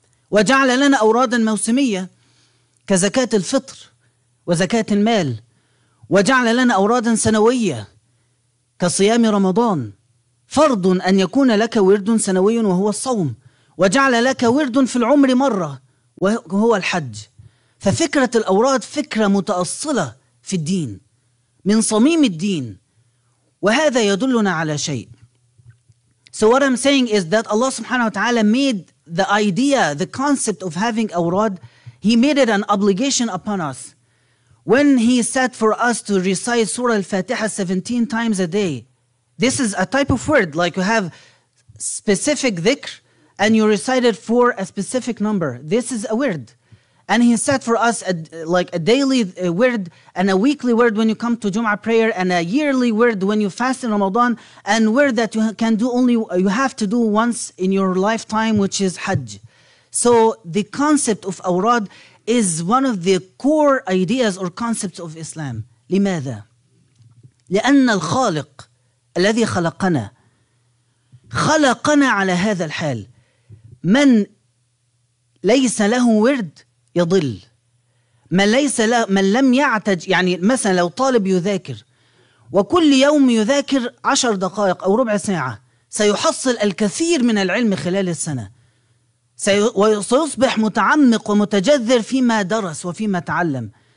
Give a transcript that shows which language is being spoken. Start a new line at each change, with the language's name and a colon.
Arabic: وجعل لنا أورادا موسمية كزكاة الفطر وزكاة المال، وجعل لنا أورادا سنوية كصيام رمضان، فرض أن يكون لك ورد سنوي وهو الصوم، وجعل لك ورد في العمر مرة وهو الحج. ففكرة الأوراد فكرة متأصلة في الدين، من صميم الدين. وهذا يدلنا على شيء.
English: So what I'm saying is that Allah subhanahu wa ta'ala made the idea, the concept of having awrad, he made it an obligation upon us. When he said for us to recite Surah Al-Fatiha 17 times a day, this is a type of word, like you have specific dhikr and you recite it for a specific number. This is a word. And he said for us a daily word and a weekly word when you come to Jum'ah prayer, and a yearly word when you fast in Ramadan, and word that you can do only, you have to do once in your lifetime, which is Hajj. So the concept of awrad is one of the core ideas or concepts of Islam.
Arabic: لماذا؟ لأن الخالق الذي خلقنا خلقنا على هذا الحال. من ليس له ورد يضل، من ليس له، من لم يعتج، يعني مثلا لو طالب يذاكر وكل يوم يذاكر 10 دقائق أو ربع ساعة، سيحصل الكثير من العلم خلال السنة، سيصبح متعمق ومتجذر فيما درس وفيما تعلم.